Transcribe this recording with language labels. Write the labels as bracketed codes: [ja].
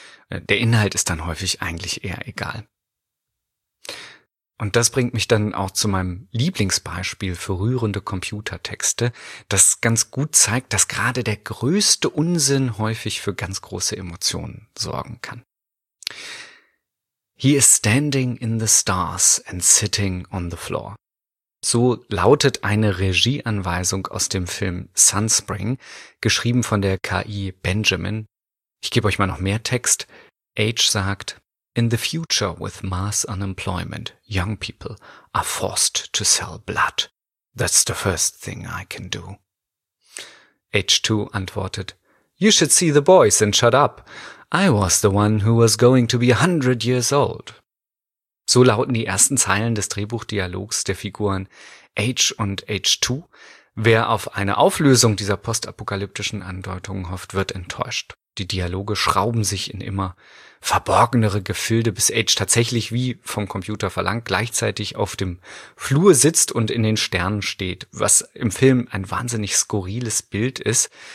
[de] Der Inhalt ist dann häufig eigentlich eher egal. Und das bringt mich dann auch zu meinem Lieblingsbeispiel für rührende Computertexte, das ganz gut zeigt, dass gerade der größte Unsinn häufig für ganz große Emotionen sorgen kann. [en] He is standing in the stars and sitting on the floor. [de] So lautet eine Regieanweisung aus dem Film Sunspring, geschrieben von der KI Benjamin. Ich gebe euch mal noch mehr Text. H sagt: [en] In the future with mass unemployment, young people are forced to sell blood. That's the first thing I can do. [de] H2 antwortet, [en] You should see the boys and shut up. I was the one who was going to be 100 years old. [de] So lauten die ersten Zeilen des Drehbuchdialogs der Figuren H und H2. Wer auf eine Auflösung dieser postapokalyptischen Andeutungen hofft, wird enttäuscht. Die Dialoge schrauben sich in immer verborgenere Gefilde, bis Age tatsächlich, wie vom Computer verlangt, gleichzeitig auf dem Flur sitzt und in den Sternen steht, was im Film ein wahnsinnig skurriles Bild ist.